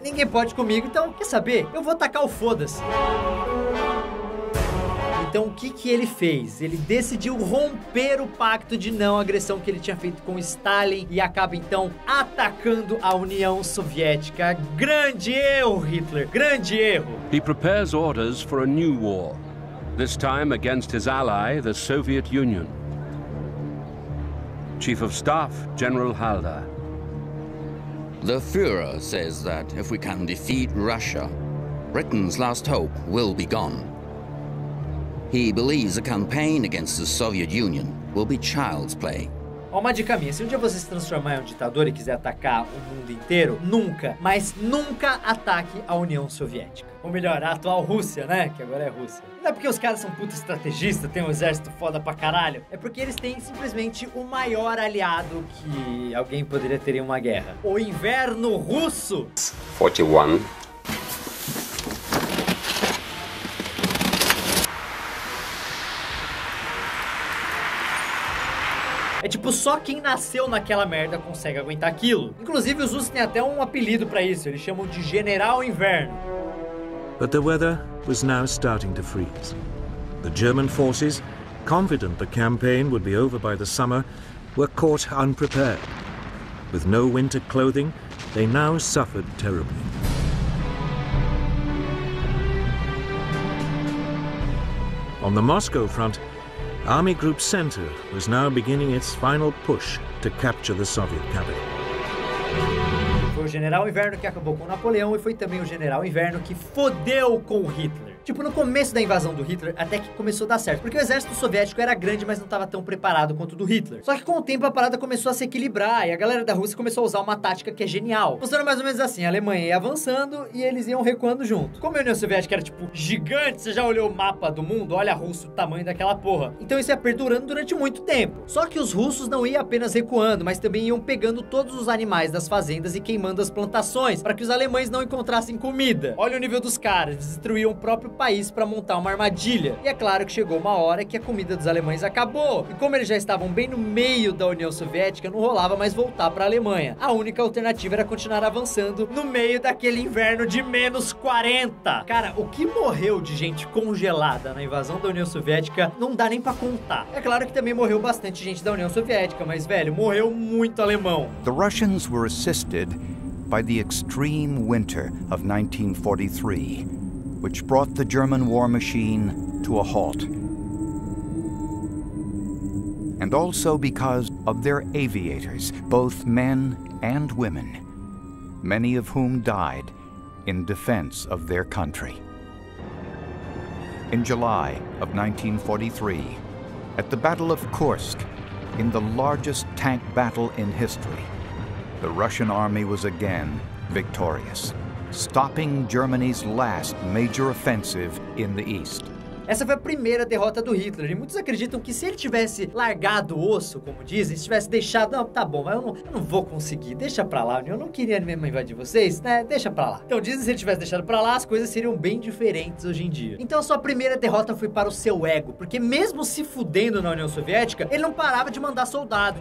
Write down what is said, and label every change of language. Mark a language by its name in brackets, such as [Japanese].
[Portuguese] Ninguém pode comigo, então, quer saber? Eu vou atacar o foda-se. Então, o que que ele fez? Ele decidiu romper o pacto de não agressão que ele tinha feito com Stalin e acaba, então, atacando a União Soviética. Grande erro, Hitler! Grande erro! [English] He prepares orders for a new war, this time against his ally, the Soviet Union. Chief of Staff, General Halder. The Führer says that if we can defeat Russia, Britain's last hope will be gone. He believes a campaign against the Soviet Union will be child's play. [Portuguese] Ó, uma dica minha, se um dia você se transformar em um ditador e quiser atacar o mundo inteiro, nunca, mas nunca ataque a União Soviética. Ou melhor, a atual Rússia, né? Que agora é Rússia. Não é porque os caras são puta estrategista, tem um exército foda pra caralho. É porque eles têm simplesmente o maior aliado que alguém poderia ter em uma guerra. O inverno russo! 41. É tipo, só quem nasceu naquela merda consegue aguentar aquilo. Inclusive, os russos têm até um apelido pra isso. Eles chamam de General Inverno. [English] But the weather was now starting to freeze. The German forces, confident the campaign would be over by the summer, were caught unprepared. With no winter clothing, they now suffered terribly. On the Moscow front, Army Group Center was now beginning its final push to capture the Soviet capital. [Portuguese] Foi o General Inverno que acabou com Napoleão e foi também o General Inverno que fodeu com Hitler. Tipo, no começo da invasão do Hitler, até que começou a dar certo. Porque o exército soviético era grande, mas não estava tão preparado quanto o do Hitler. Só que com o tempo, a parada começou a se equilibrar e a galera da Rússia começou a usar uma tática que é genial. Funcionou mais ou menos assim, a Alemanha ia avançando e eles iam recuando junto. Como a União Soviética era, tipo, gigante, você já olhou o mapa do mundo? Olha, russo, o tamanho daquela porra. Então isso ia perdurando durante muito tempo. Só que os russos não iam apenas recuando, mas também iam pegando todos os animais das fazendas e queimando as plantações para que os alemães não encontrassem comida. Olha o nível dos caras, destruíam o próprio país para montar uma armadilha. E é claro que chegou uma hora que a comida dos alemães acabou. E como eles já estavam bem no meio da União Soviética, não rolava mais voltar para a Alemanha. A única alternativa era continuar avançando no meio daquele inverno de menos 40. Cara, o que morreu de gente congelada na invasão da União Soviética não dá nem para contar. É claro que também morreu bastante gente da União Soviética, mas velho, morreu muito alemão. [English] The Russians were assisted by the extreme winter of 1943. Which brought the German war machine to a halt. And also because of their aviators, both men and women, many of whom died in defense of their country. In July of 1943, at the Battle of Kursk, in the largest tank battle in history, the Russian army was again victorious. Stopping Germany's last major offensive in the East. [Portuguese] Essa foi a primeira derrota do Hitler. E muitos acreditam que se ele tivesse largado o osso, como dizem, se tivesse deixado, não, tá bom, mas eu não vou conseguir, deixa pra lá, eu não queria mesmo invadir vocês, né, deixa pra lá. Então dizem que se ele tivesse deixado pra lá, as coisas seriam bem diferentes hoje em dia. Então a sua primeira derrota foi para o seu ego, porque mesmo se fudendo na União Soviética, ele não parava de mandar soldado.